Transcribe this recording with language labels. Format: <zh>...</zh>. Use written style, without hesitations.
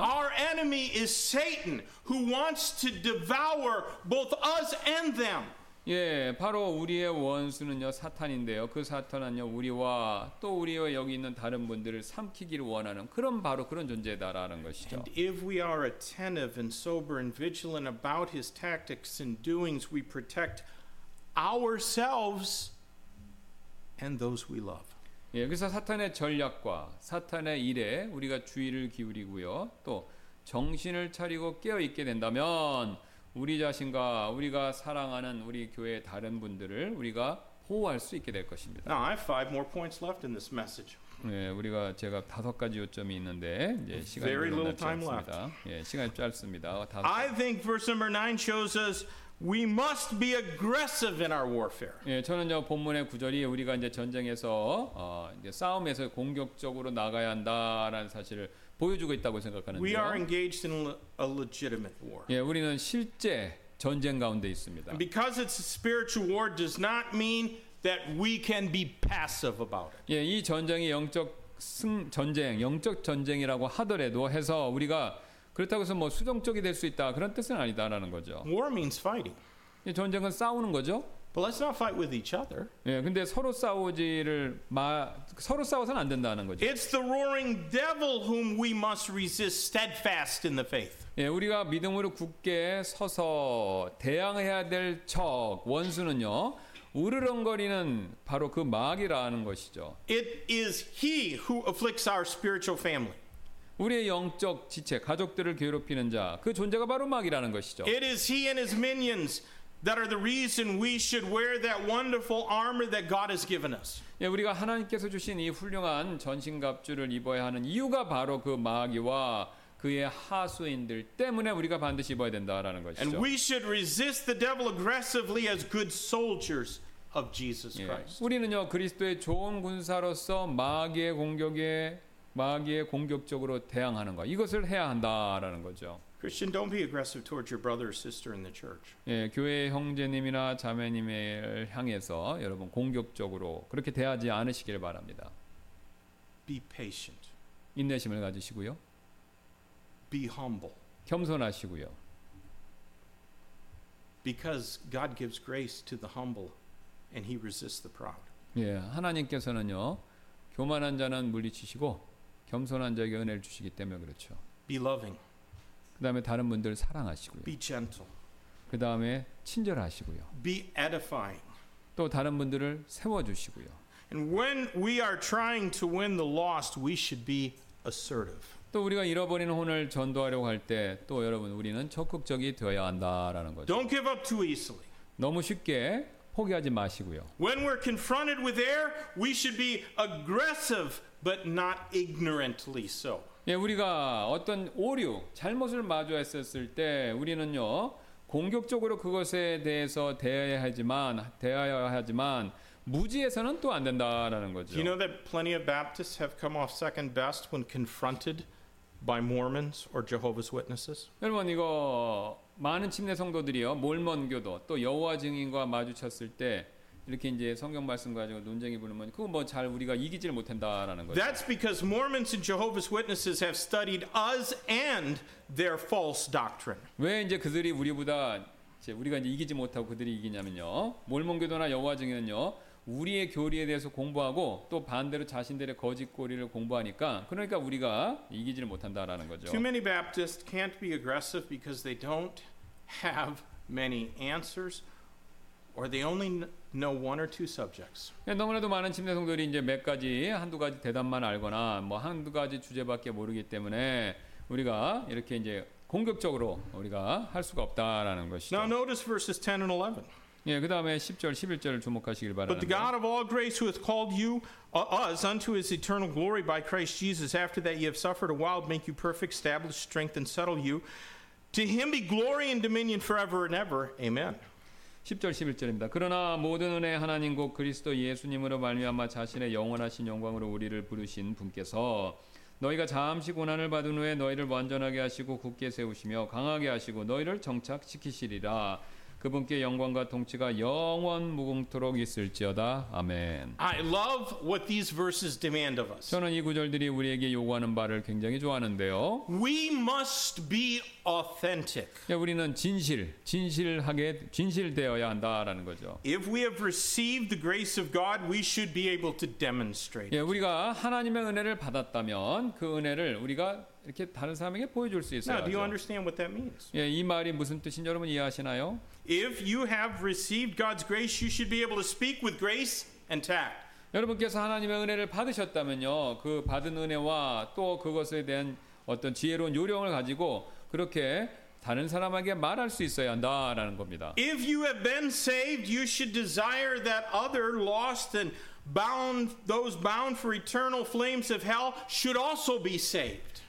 <en>Our enemy is Satan, who wants to devour both us and them.</en> <ko>예, 바로 우리의 원수는요, 사탄인데요. 그 사탄은요, 우리와 또 우리와 여기 있는 다른 분들을 삼키기를 원하는 그런 바로 그런 존재다라는 것이죠.</ko> <en>And if we are attentive and sober and vigilant about his tactics and doings, we protect ourselves and those we love.</en> <ko>예, 그래서 사탄의 전략과 사탄의 일에 우리가 주의를 기울이고요. 또 정신을 차리고 깨어 있게 된다면 우리 자신과 우리가 사랑하는 우리 교회의 다른 분들을 우리가 보호할 수 있게 될 것입니다.</ko> <en>Now, I have 5 more points left in this message.</en> <ko>예, 우리가 제가 다섯 가지 요점이 있는데 이제 시간이</ko> <en>very little</en> <ko>짧습니다.</ko> <en>Time left.</en> <ko>예, 시간이 짧습니다.</ko> <en>I think verse number 9 shows us we must be aggressive in our warfare.</en> <ko>예, 저는요 본문의 구절이 우리가 이제 전쟁에서 이제 싸움에서 공격적으로 나가야 한다라는 사실을 보여주고 있다고 생각하는데요.</ko> <en>We are engaged in a legitimate war.</en> <ko>예, 우리는 실제 전쟁 가운데 있습니다.</ko> <en>And because it's a spiritual war does not mean that we can be passive about it.</en> <ko>예, 이 전쟁이 영적 전쟁, 영적 전쟁이라고 하더라도 해서 우리가 그렇다고 해서 뭐 수동적이 될 수 있다 그런 뜻은 아니다라는 거죠.</ko> <en>War means fighting.</en> <ko>예, 전쟁은 싸우는 거죠.</ko> <en>But let's not fight with each other.</en> <ko>예, 근데 서로 싸우지를 서로 싸워서는 안 된다는 거죠.</ko> <en>It's the roaring devil whom we must resist steadfast in the faith.</en> <ko>예, 우리가 믿음으로 굳게 서서 대항해야 될 적 원수는요. 우르렁거리는 바로 그 마귀라는 것이죠.</ko> <en>It is he who afflicts our spiritual family.</en> <ko>우리의 영적 지체, 가족들을 괴롭히는 자, 그 존재가 바로 마귀라는 것이죠.</ko> <en>It is he and his minions that are the reason we should wear that wonderful armor that God has given us.</en> <ko>예, 우리가 하나님께서 주신 이 훌륭한 전신갑주를 입어야 하는 이유가 바로 그 마귀와 그의 하수인들 때문에 우리가 반드시 입어야 된다라는 것이죠.</ko> <en>And we should resist the devil aggressively as good soldiers of Jesus Christ.</en> <ko>예, 우리는요, 그리스도의 좋은 군사로서 마귀의 공격에 마귀에 공격적으로 대항하는 것 이것을 해야 한다라는 거죠.</ko> <en>Christian, don't be aggressive towards your brother or sister in the church.</en> <ko>예, 교회 형제님이나 자매님을 향해서 여러분 공격적으로 그렇게 대하지 않으시길 바랍니다.</ko> <en>Be patient.</en> <ko>인내심을 가지시고요.</ko> <en>Be humble.</en> <ko>겸손하시고요.</ko> <en>Because God gives grace to the humble, and He resists the proud.</en> <ko>예, 하나님께서는요 교만한 자는 물리치시고 겸손한 자에게 은혜를 주시기 때문에 그렇죠.</ko> <en>Be loving.</en> <ko>그 다음에 다른 분들 사랑하시고요.</ko> <en>Be gentle.</en> <ko>그 다음에 친절하시고요.</ko> <en>Be edifying.</en> <ko>또 다른 분들을 세워주시고요.</ko> <en>And when we are trying to win the lost, we should be assertive.</en> <ko>또 우리가 잃어버린 혼을 전도하려고 할 때 또 여러분 우리는 적극적이 되어야 한다라는 거죠.</ko> <en>Don't give up too easily.</en> <ko>너무 쉽게 포기하지 마시고요.</ko> <en>When we're confronted with error, we should be aggressive but not ignorantly so.</en> <ko>예, 우리가 어떤 오류, 잘못을 마주했었을 때 우리는요. 공격적으로 그것에 대해서 대해야 하지만 무지에서는 또 안 된다라는 거죠.</ko> <en>You know that plenty of Baptists have come off second best when confronted by Mormons or Jehovah's Witnesses.</en> <ko>여러분 이거 많은 침례 성도들이요. 몰몬교도 또 여호와 증인과 마주쳤을 때 이렇게 이제 성경 말씀 가지고 논쟁이 부르면 그거 뭐 잘 우리가 이기질 못 한다라는 거죠.</ko> <en>That's because Mormons and Jehovah's Witnesses have studied us and their false doctrine.</en> <ko>왜 이제 그들이 우리보다 이제 우리가 이제 이기지 못하고 그들이 이기냐면요. 몰몬교도나 여호와 증인은요. 우리의 교리에 대해서 공부하고 또 반대로 자신들의 거짓 교리를 공부하니까 그러니까 우리가 이기지를 못한다라는 거죠.</ko> <en>Too many Baptists can't be aggressive because they don't have many answers or they only know one or two subjects.</en> <ko>너무나도 많은 침례 성도들이 이제 몇 가지 한두 가지 대답만 알거나 뭐 한두 가지 주제밖에 모르기 때문에 우리가 이렇게 이제 공격적으로 우리가 할 수가 없다라는 것이죠.</ko> <en>Now notice verses 10 and 11.</en> <ko>예, 그 다음에 10절, 11절을 주목하시길 바랍니다.</ko> <en>But the God of all grace who hath called you us unto his eternal glory by Christ Jesus, after that ye have suffered a while, make you perfect, establish, strengthen, and settle you. To him be glory and dominion forever and ever. Amen.</en> <ko>10절, 11절입니다. 그러나 모든 은혜 하나님 곧 그리스도 예수님으로 말미암아 자신의 영원하신 영광으로 우리를 부르신 분께서 너희가 잠시 고난을 받은 후에 너희를 완전하게 하시고 굳게 세우시며 강하게 하시고 너희를 정착시키시리라. 그분께 영광과 통치가 영원 무궁토록 있을지어다. 아멘.</ko> <en>I love what these verses demand of us.</en> <ko>저는 이 구절들이 우리에게 요구하는 바를 굉장히 좋아하는데요.</ko> <en>We must be authentic.</en> <ko>우리는 진실되어야 한다라는 거죠.</ko> <en>If we have received the grace of God, we should be able to demonstrate.</en> <ko>예, 우리가 하나님의 은혜를 받았다면 그 은혜를 우리가 이렇게 다른 사람에게 보여줄 수 있어야죠.</ko> <en>Now, do you understand what that means?</en> <ko>예, 이 말이 무슨 뜻인지 여러분 이해하시나요?</ko> <en>If you have received God's grace, you should be able to speak with grace and tact.</en> <ko>여러분께서 하나님의 은혜를 받으셨다면요, 그 받은 은혜와 또 그것에 대한 어떤 지혜로운 요령을 가지고 그렇게 다른 사람에게 말할 수 있어야 한다라는 겁니다.</ko> <en>If you have been saved, you should desire that other lost and bound, those bound for eternal flames of hell, should also be saved.</en>